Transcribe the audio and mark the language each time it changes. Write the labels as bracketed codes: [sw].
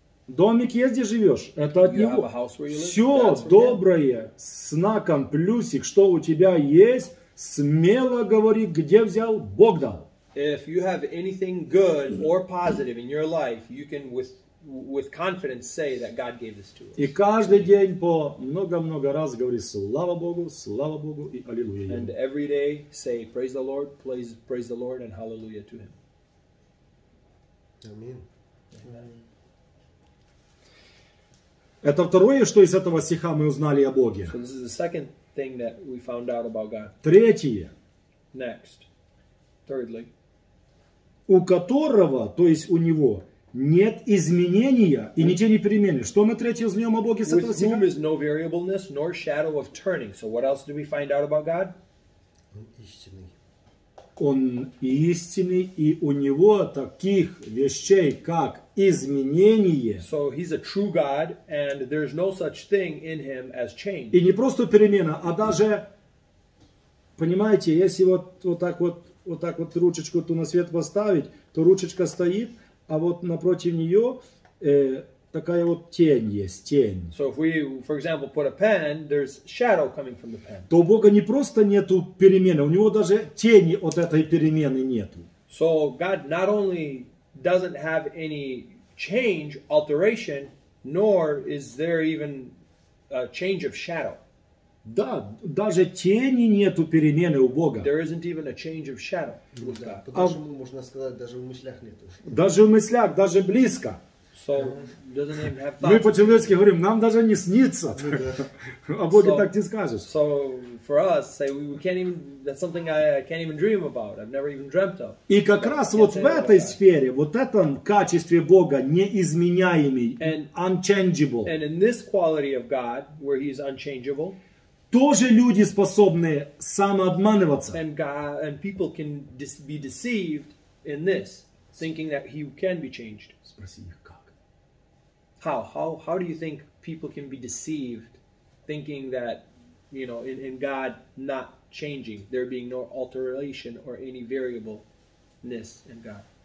[ru] Домик есть, где живешь, это от него. Все доброе, знаком плюсик, что у тебя есть, смело говорит, где взял, Бог дал. [en] If you have anything good or positive in your life, you can with confidence say that God gave this to us. [ru] И каждый день по много-много раз говорит, слава Богу и аллилуйя. [en] And every day say, praise the Lord, praise the Lord and hallelujah to him. Amen. [ru] Это второе, что из этого стиха мы узнали о Боге. [en] So this is the second thing that we found out about God. [ru] Третье. [en] Next. Thirdly. [ru] У которого, то есть у него, нет изменения и ни тени перемены. Что мы третье узнаем о Боге с этого стиха? [en] With whom is no variableness, nor shadow of turning. So what else do we find out about God? [ru] Он истинный. Он истинный, и у него таких вещей, как изменение. [en] So he's a true God, and there's no such thing in him as change. [ru] И не просто перемена, а даже, понимаете, если вот так вот ручечку ту на свет поставить, то ручечка стоит, а вот напротив нее такая вот тень есть, тень. [en] So if we, for example, put a pen, there's shadow coming from the pen. [ru] То у Бога не просто нету перемены, у него даже тени от этой перемены нету. [en] So God not only doesn't have any change, alteration, nor is there even a change of shadow. [ru] Да, даже тени нету перемены у Бога. [en] There isn't even a change of shadow. [ru] Поэтому можно сказать, даже в мыслях нету. Даже в мыслях, даже близко. [en] So, doesn't even have thoughts. [ru] Мы по-человечески говорим, нам даже не снится. О Боге так не скажешь. [en] So, for us, say, we can't even, that's something I can't even dream about. I've never even dreamt of. [ru] И как раз вот в этой сфере, вот этом качестве Бога, неизменяемый, unchangeable. [en] And in this quality of God, where he's unchangeable, [ru] тоже люди способны самообманываться. [en] And God, and people can be deceived in this, thinking that he can be changed. [ru] Спасибо. [en] How do you think people can be deceived, thinking that, you know, in God not changing, there being no alteration or any variableness in God?